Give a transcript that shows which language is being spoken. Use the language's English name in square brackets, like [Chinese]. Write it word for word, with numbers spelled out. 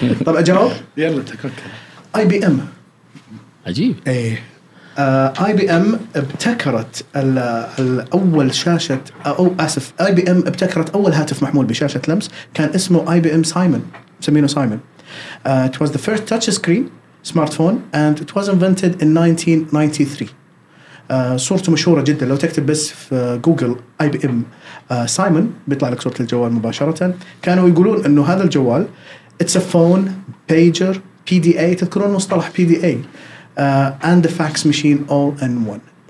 [Arabic] طب أجاوب؟ يلا تكرر. آي بي إم. عجيب. إيه آي بي إم ابتكرت الأول شاشة، أو آسف آي بي إم ابتكرت أول هاتف محمول بشاشة لمس، كان اسمه آي بي إم سايمون، مسمينه سايمون. [English] uh, It was the first touch screen smartphone and it was invented in nineteen ninety-three. [Arabic] آه صورته مشهورة جدا، لو تكتب بس في جوجل آي بي إم آه سايمون بيطلع لك صورة الجوال مباشرة. كانوا يقولون إنه هذا الجوال [English] it's a phone, pager, P D A، [Arabic] تذكرون مصطلح [English] P D A آه and the fax machine all in one.